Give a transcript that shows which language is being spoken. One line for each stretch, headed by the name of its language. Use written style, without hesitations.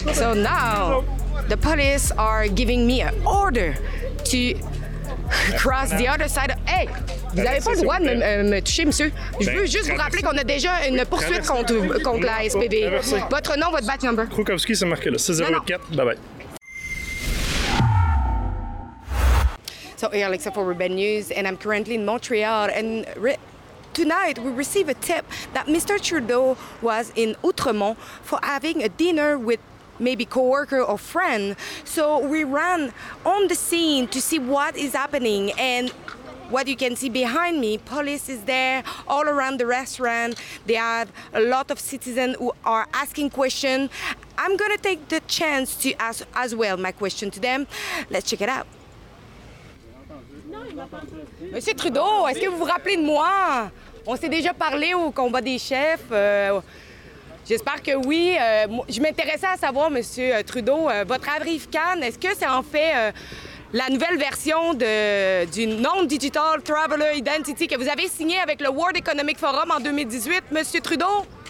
English: So now, the police are giving me an order to cross the other side.
French: Hey, vous n'avez pas le droit de me toucher, monsieur. Je veux juste vous rappeler qu'on a déjà une poursuite contre la SPV. Votre nom, votre
English: badge number.
French: Krukowski, c'est marqué là. 6084. Bye bye.
English: So here, Alexa for Ruben News, and I'm currently in Montreal. And tonight, we receive a tip that Mr. Trudeau was in Outremont for having a dinner with maybe coworker or friend. So we ran on the scene to see what is happening. And what you can see behind me, police is there all around the restaurant. They have a lot of citizens who are asking questions. I'm going to take the chance to ask as well my question to them. Let's check it out.
French: Monsieur Trudeau, est-ce que vous vous rappelez de moi? On s'est déjà parlé au combat des chefs. J'espère que oui. Je m'intéressais à savoir, Monsieur Trudeau, votre Arif Khan, est-ce que c'est en fait la nouvelle version du Non-Digital Traveler Identity que vous avez signé avec le World Economic Forum en 2018, Monsieur Trudeau?